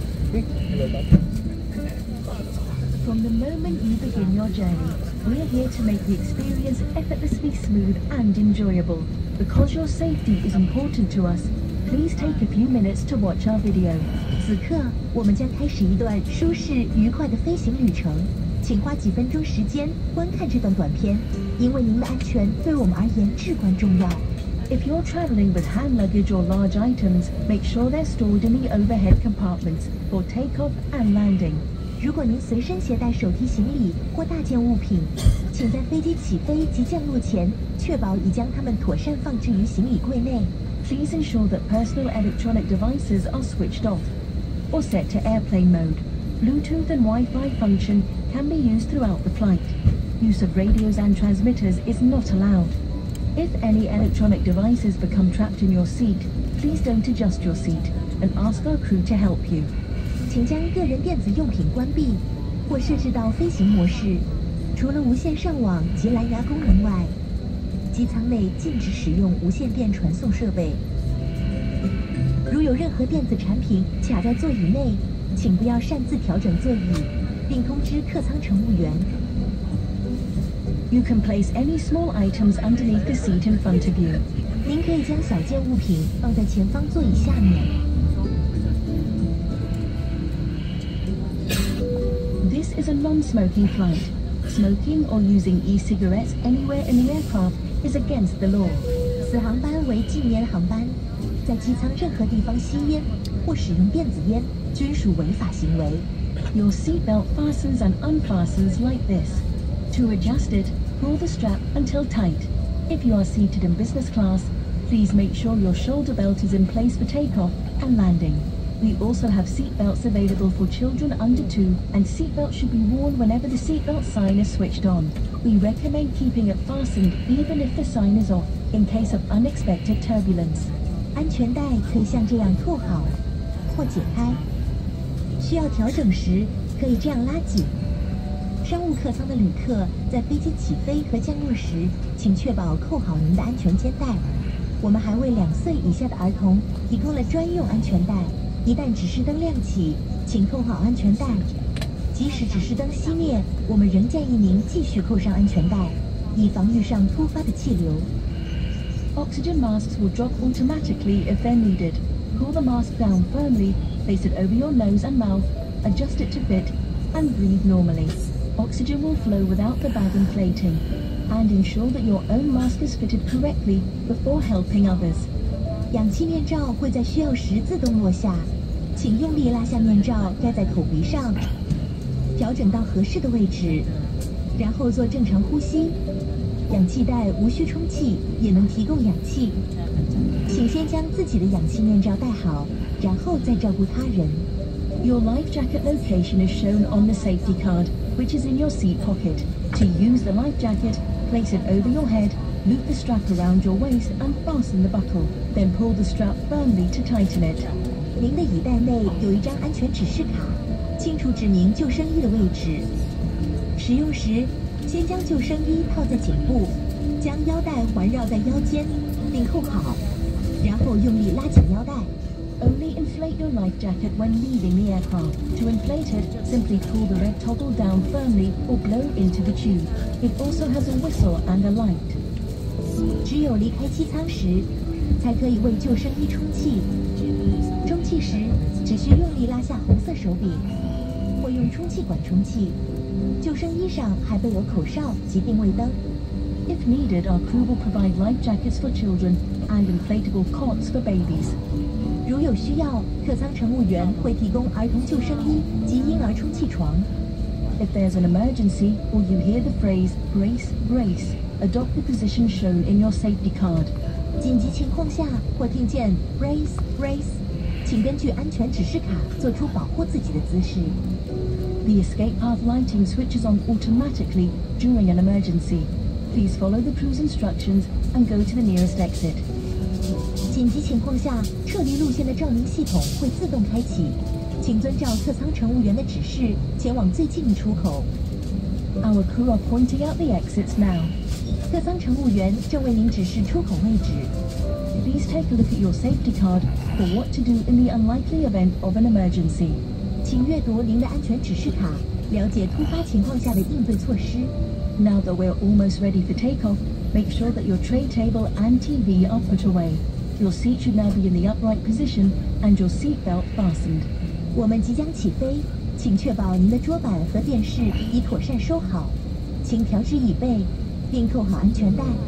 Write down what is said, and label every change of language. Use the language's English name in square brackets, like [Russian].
[English] From the moment you begin your journey, we're here to make the experience effortlessly smooth and enjoyable. Because your safety is important to us, please take a few minutes to watch our video. [Chinese] 此刻，我们将开始一段舒适愉快的飞行旅程，请花几分钟时间观看这段短片，因为您的安全对我们而言至关重要。 [English] If you're traveling with hand luggage or large items, make sure they're stored in the overhead compartments for takeoff and landing. [Chinese] 如果您随身携带手提行李或大件物品，请在飞机起飞及降落前确保已将它们妥善放置于行李柜内。 [English] Please ensure that personal electronic devices are switched off or set to airplane mode. Bluetooth and Wi-Fi function can be used throughout the flight. Use of radios and transmitters is not allowed. If any electronic devices become trapped in your seat, please don't adjust your seat and ask our crew to help you. [Chinese] 请将个人电子用品关闭或设置到飞行模式。除了无线上网及蓝牙功能外，机舱内禁止使用无线电传送设备。如有任何电子产品卡在座椅内，请不要擅自调整座椅，并通知客舱乘务员。 [English] You can place any small items underneath the seat in front of you. [Chinese] 您可以将小件物品放在前方座椅下面。 [English] This is a non-smoking flight. Smoking or using e-cigarettes anywhere in the aircraft is against the law. [Chinese] 此航班为禁烟航班，在机舱任何地方吸烟或使用电子烟均属违法行为。 [English] Your seatbelt fastens and unfastens like this. To adjust it, pull the strap until tight. If you are seated in business class, please make sure your shoulder belt is in place for takeoff and landing. We also have seat belts available for children under 2, and seat belts should be worn whenever the seat belt sign is switched on. We recommend keeping it fastened even if the sign is off, in case of unexpected turbulence. [Chinese] 安全带可以像这样扣好或解开，需要调整时可以这样拉紧。商务客舱的旅客在飞机起飞和降落时，请确保扣好您的安全肩带。我们还为两岁以下的儿童提供了专用安全带。一旦指示灯亮起，请扣好安全带。即使指示灯熄灭，我们仍建议您继续扣上安全带，以防御上突发的气流。 [English] Oxygen masks will drop automatically if they're needed. Pull the mask down firmly, place it over your nose and mouth, adjust it to fit, and breathe normally. Oxygen will flow without the bag inflating, and ensure that your own mask is fitted correctly before helping others. [Chinese] 氧气面罩会在需要时自动落下，请用力拉下面罩盖在口鼻上，调整到合适的位置，然后做正常呼吸。氧气袋无需充气，也能提供氧气。请先将自己的氧气面罩戴好，然后再照顾他人。 [English] Your life jacket location is shown on the safety card. Which is in your seat pocket. To use the life jacket, place it over your head, loop the strap around your waist and fasten the buckle. Then pull the strap firmly to tighten it. [Chinese] 您的椅袋内有一张安全指示卡，清楚指明救生衣的位置。使用时，先将救生衣套在颈部，将腰带环绕在腰间，并扣好，然后用力拉紧腰带。 [English] Only inflate your life jacket when leaving the aircraft. To inflate it, simply pull the red toggle down firmly or blow into the tube. It also has a whistle and a light. [Chinese] 只有离开机舱时，才可以为救生衣充气。充气时，只需用力拉下红色手柄，或用充气管充气。救生衣上还备有口哨及定位灯。 [English] If needed, our crew will provide life jackets for children and inflatable cots for babies. [Chinese] 如有需要，客舱乘务员会提供儿童救生衣及婴儿充气床。 [English] If there's an emergency, or you hear the phrase brace, brace, adopt the position shown in your safety card. [Chinese] 紧急情况下或听见 [English] brace, brace, [Chinese] 请根据安全指示卡做出保护自己的姿势。 [English] The escape path lighting switches on automatically during an emergency. Please follow the crew's instructions and go to the nearest exit. [Chinese] 紧急情况下，撤离路线的照明系统会自动开启，请遵照客舱乘务员的指示前往最近的出口。 [English] Our crew are pointing out the exits now. [Chinese] 客舱乘务员正为您指示出口位置。 [English] Please take a look at your safety card for what to do in the unlikely event of an emergency. [Chinese] 请阅读您的安全指示卡，了解突发情况下的应对措施。 [English] Now that we're almost ready for takeoff, make sure that your tray table and TV are put away. Your seat should now be in the upright position and your seat belt fastened. [Chinese] 我们即将起飞，请确保您的桌板和电视已妥善收好，请调直椅背，并扣好安全带。